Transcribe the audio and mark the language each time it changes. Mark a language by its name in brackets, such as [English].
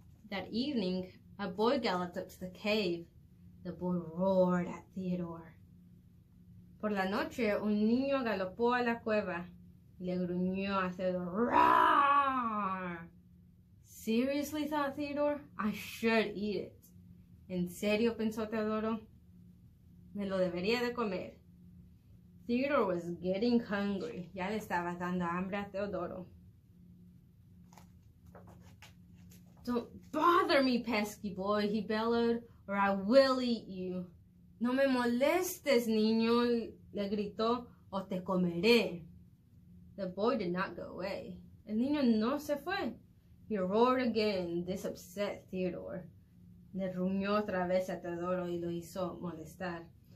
[English] That evening, a boy galloped up to the cave. The boy roared at Theodore. [Spanish] Por la noche, un niño galopó a la cueva. Le gruñó a Theodore. Roar! [English] Seriously, thought Theodore, I should eat it. [Spanish] En serio, pensó Teodoro. Me lo debería de comer. [English] Theodore was getting hungry. [Spanish] Ya le estaba dando hambre a Teodoro. [English] Don't bother me, pesky boy, he bellowed, or I will eat you. [Spanish] No me molestes, niño, le gritó, o te comeré. [English] The boy did not go away. [Spanish] El niño no se fue. [English] He roared again. This upset Theodore. [Spanish] Le ruñó otra vez a Teodoro y lo hizo molestar.